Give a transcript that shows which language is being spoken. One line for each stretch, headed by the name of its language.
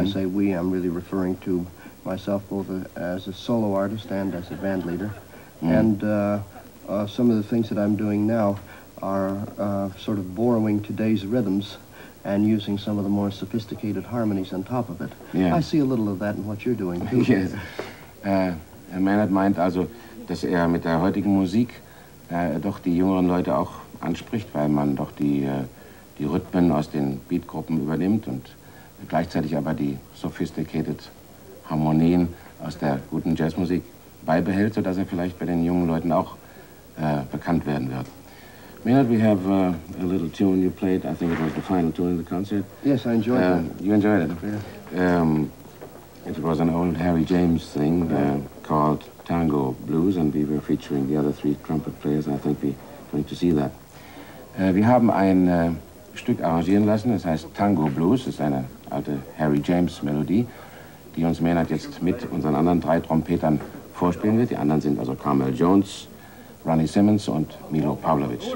English: I say we, I'm really referring to myself both as a solo artist and as a band leader. Mm-hmm. And some of the things that I'm doing now are sort of borrowing today's rhythms and using some of the more sophisticated harmonies on top of it. Yeah. I see a little of that in what you're doing, too. Yes.
German: A man hat meint also, dass mit der heutigen Musik doch die jüngeren Leute auch anspricht, weil man doch die Rhythmen aus den Beatgruppen übernimmt und gleichzeitig aber die sophisticated Harmonien aus der guten Jazzmusik beibehält, sodass er vielleicht bei den jungen Leuten auch bekannt werden wird.
English: Maynard, we have a little tune you played. I think it was the final tune of the concert. Yes, I enjoyed it. You enjoyed it? Yeah. It was an old Harry James thing called Tango Blues, and we were featuring the other three trumpet players, and I think we're going to see that.
German: Wir haben ein Stück arrangieren lassen, das heißt Tango Blues, das ist eine alte Harry James Melodie, die uns Maynard jetzt mit unseren anderen drei Trompetern vorspielen wird. Die anderen sind also Carmel Jones, Ronnie Simmons und Milo Pavlovic.